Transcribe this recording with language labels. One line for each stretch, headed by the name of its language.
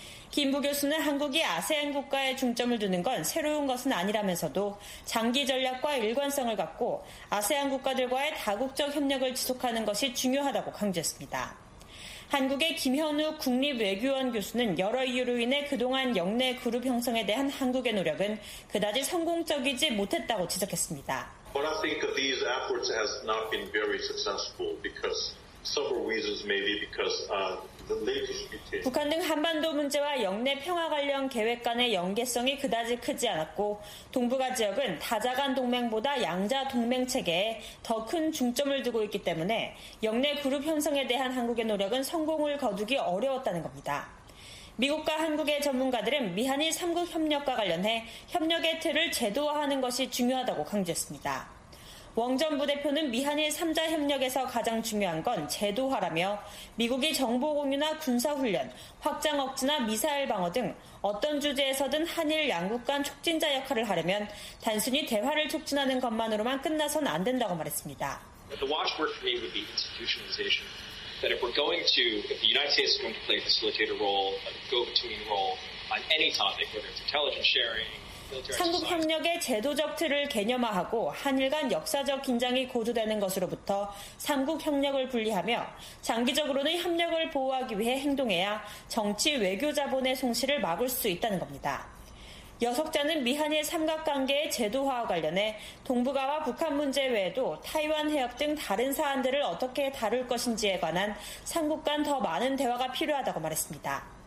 Korean: 김부 교수는 한국이 아세안 국가에 중점을 두는 건 새로운 것은 아니라면서도 장기 전략과 일관성을 갖고 아세안 국가들과의 다국적 협력을 지속하는 것이 중요하다고 강조했습니다. 한국의 김현우 국립외교원 교수는 여러 이유로 인해 그동안 역내 그룹 형성에 대한 한국의 노력은 그다지 성공적이지 못했다고 지적했습니다.
English: But I think these efforts have not been very successful because several reasons, maybe because the latest meeting.
Korean: 북한 등 한반도 문제와 영내 평화 관련 계획 간의 연계성이 그다지 크지 않았고 동북아 지역은 다자간 동맹보다 양자 동맹 체계에 더 큰 중점을 두고 있기 때문에 영내 그룹 형성에 대한 한국의 노력은 성공을 거두기 어려웠다는 겁니다. 미국과 한국의 전문가들은 미한일 3국 협력과 관련해 협력의 틀을 제도화하는 것이 중요하다고 강조했습니다. 웡 전 부대표는 미한일 3자 협력에서 가장 중요한 건 제도화라며 미국이 정보 공유나 군사훈련, 확장 억지나 미사일 방어 등 어떤 주제에서든 한일 양국 간 촉진자 역할을 하려면 단순히 대화를 촉진하는 것만으로만 끝나선 안 된다고 말했습니다.
English: The watchword for me would be institutionalization. That if the United States is going to play a facilitator role, a go-between role on any topic, whether it's intelligence sharing,
Korean: 삼국 협력의 제도적 틀을 개념화하고 한일 간 역사적 긴장이 고조되는 것으로부터 삼국 협력을 분리하며 장기적으로는 협력을 보호하기 위해 행동해야 정치 외교 자본의 손실을 막을 수 있다는 겁니다. 여석자는 미한일 삼각관계의 제도화와 관련해 동북아와 북한 문제 외에도 타이완 해협 등 다른 사안들을 어떻게 다룰 것인지에 관한 삼국 간 더 많은 대화가 필요하다고 말했습니다.